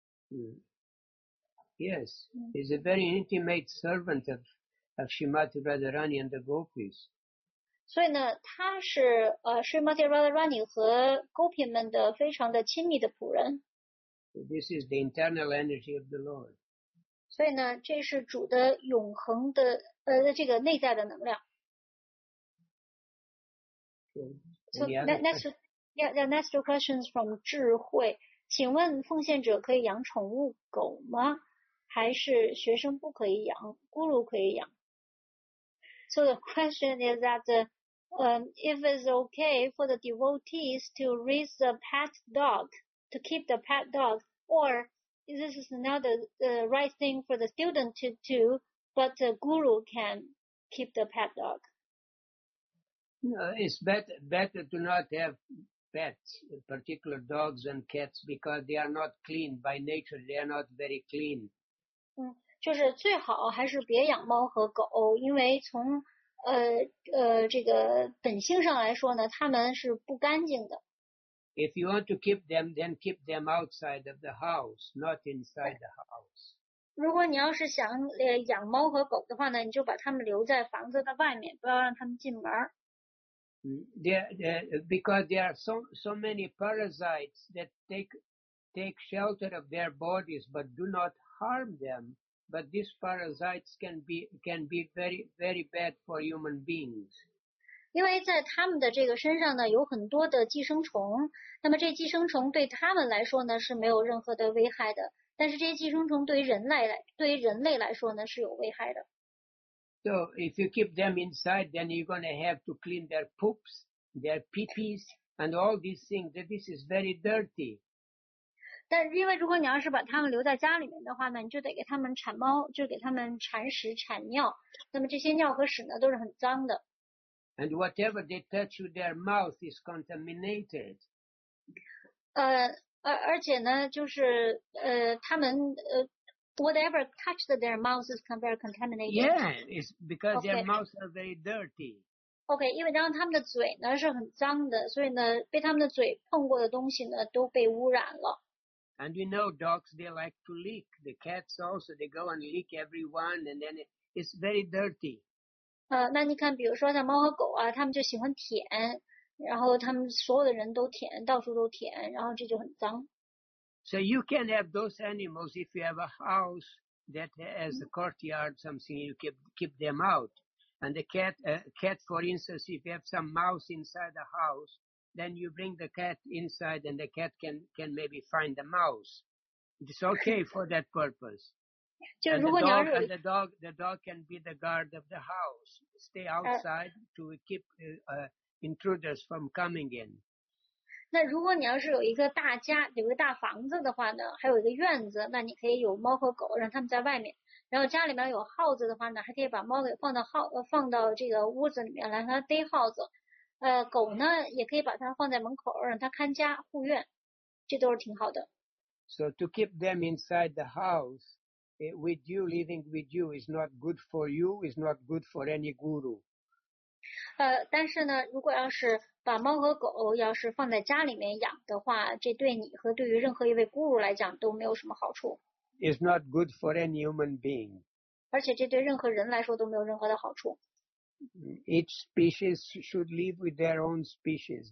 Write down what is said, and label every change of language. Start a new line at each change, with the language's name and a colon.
English: 嗯、Yes, he's a very intimate servant of Srimati Radharani and the Gopis.
Chinese: 所以呢他是Srimati Radharani 和 Gopi 们的非常的亲密的仆人。
English: This is the internal energy of the Lord.
Chinese: 所以呢，这是主的永恒的这个内在的能量。
English: Okay. So next questions from 智慧。
Chinese: 请问奉献者可以养宠物狗吗？还是学生不可以养，咕噜可以养？
English: So the question is that, if it's okay for the devotees to raise the pet dog, to keep the pet dog, or this is not the right thing for the student to do, but the guru can keep the pet dog. No, it's better to not have pets, particular dogs and cats, because they are not clean by nature, they are not very clean.
Chinese: 就是最好还是别养猫和狗，因为从这个本性上来说呢，它们是不干净的。
English: If you want to keep them, then keep them outside of the house, not inside the house.
Chinese: 如果你要是想养猫和狗的话呢，你就把它们留在房子的外面，不要让它们进门。
English: Because there are so many parasites that take shelter of their bodies but do not harm them, but these parasites can be very, very bad for human beings.
Chinese: 因为在他们的这个身上呢有很多的寄生虫，那么这寄生虫对他们来说呢是没有任何的危害的，但是这些寄生虫对于人类来说呢是有危害的。
English: So if you keep them inside, then you're going to have to clean their poops, their pee-pees, and all these things. This is very dirty.
Chinese: 但因为如果你要是把他们留在家里面的话呢，你就得给他们铲猫，就给他们铲屎铲尿，那么这些尿和屎呢都是很脏的。
English: And whatever they touch with their mouth is contaminated.
Chinese: 而且呢就是他们
English: whatever touched their mouth is very contaminated. Yeah, it's because their mouths are very dirty.
Chinese: Okay, 因为当他们的嘴呢是很脏的，所以呢被他们的嘴碰过的东西呢都被污染了。
English: And you know, dogs, they like to lick. The cats also, they go and lick everyone and then it's very dirty.
Chinese: 那你看比如说像猫和狗啊，他们就喜欢舔，然后他们所有的人都舔，到处都舔，然后这就很脏。
English: So you can have those animals if you have a house that has a courtyard, something you keep them out. And the cat, for instance, if you have some mouse inside the house, then you bring the cat inside and the cat can maybe find the mouse. It's okay for that purpose.
Chinese: 就如果你要是
English: the dog can be the guard of the house, stay outside to keep intruders from coming in.
Chinese: 那如果你要是有一个大家，有个大房子的话呢，还有一个院子，那你可以有猫和狗，让他们在外面。然后家里面有耗子的话呢，还可以把猫给放到这个屋子里面，让它逮耗子。狗呢，也可以把它放在门口，让它看家护院，这都是挺好的。
English: So to keep them inside the house. With you, living with you is not good for you, is not good for any guru.
Chinese: 但是呢，如果要是把猫和狗要是放在家里面养的话，这对你和对于任何一位guru来讲都没有什么好处。
English: Is not good for any human being.
Chinese: 而且这对任何人来说都没有任何的好处。
English: Each species should live with their own species.